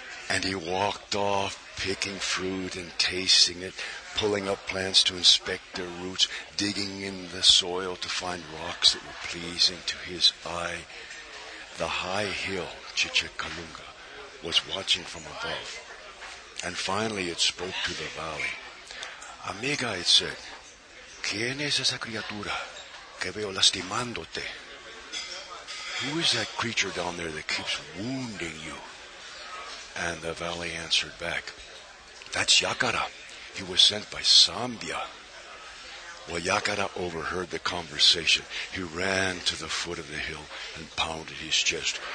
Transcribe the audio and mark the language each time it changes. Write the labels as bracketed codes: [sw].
[en] And he walked off picking fruit and tasting it, pulling up plants to inspect their roots, digging in the soil to find rocks that were pleasing to his eye. The high hill, Cheche Calunga, was watching from above. And finally it spoke to the valley. [es] Amiga, [en] it said, [es] ¿Quién es esa criatura que veo lastimándote? [en] Who is that creature down there that keeps wounding you? And the valley answered back, That's Yakara. He was sent by Sambia. Well, Yakara overheard the conversation. He ran to the foot of the hill and pounded his chest.